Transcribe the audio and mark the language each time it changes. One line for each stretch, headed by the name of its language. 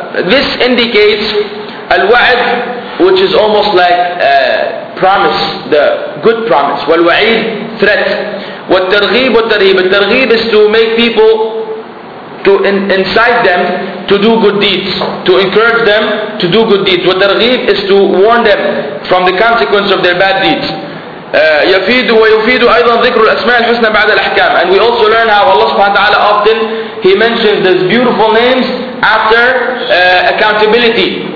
English: This indicates al-wa'd, which is almost like promise, the good promise. Wal-wa'id, threat. Wal-targhib, wal-targhib. Al-targhib is to make people, to incite them to do good deeds, to encourage them to do good deeds. Wal-targhib is to warn them from the consequence of their bad deeds.
Arabic: يفيد ويفيد أيضا ذكر الأسماء الحسنى بعد الأحكام.
English: And we also learn how Allah subhanahu wa ta'ala often He mentions these beautiful names after accountability.